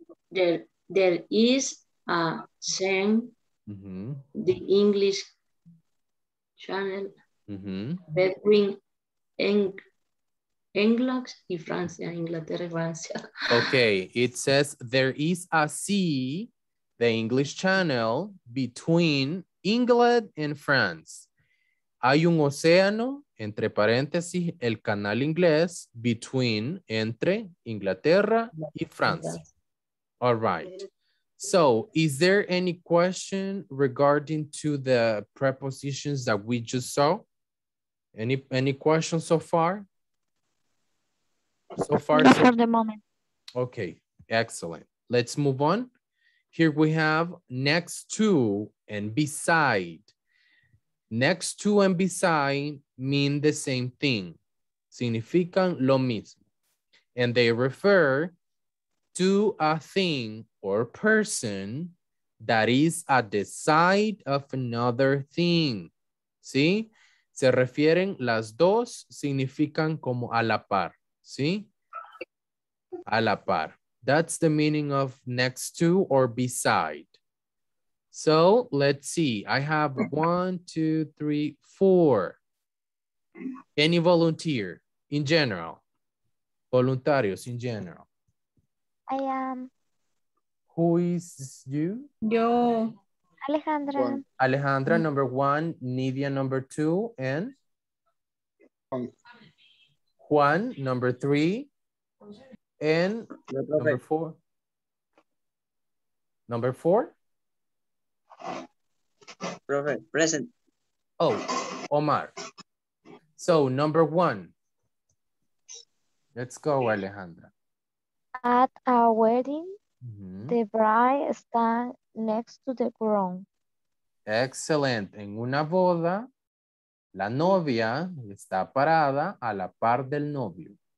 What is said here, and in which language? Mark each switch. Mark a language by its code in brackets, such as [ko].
[en] There is a saying, the English channel, between England [es] y Francia, Inglaterra y Francia. [en] Okay, it says there is a sea, the English channel, between England and France. [es] Hay un océano, entre paréntesis, el canal inglés, between, entre Inglaterra y Francia. [en] All right. So, is there any question regarding to the prepositions that we just saw? Any questions so far? Not for the moment. Okay, excellent. Let's move on. Here we have next to and beside. Next to and beside mean the same thing. [es] Significan lo mismo. [en] And they refer to a thing or person that is at the side of another thing. [es] ¿Sí? Se refieren las dos, significan como a la par. ¿Sí? A la par. [en] That's the meaning of next to or beside. So let's see. I have 1, 2, 3, 4. Any volunteer in general? Voluntarios in general. I am. Who is you? [es] Yo. Alejandra. [en] One. Alejandra, number one. Nidia, number two. And? Juan, number three. And number four. Number four. Perfect. Present. Oh, Omar. So number one. Let's go, Alejandra. At a wedding, the bride stands next to the groom. Excellent. [es] En una boda, la novia está parada a la par del novio.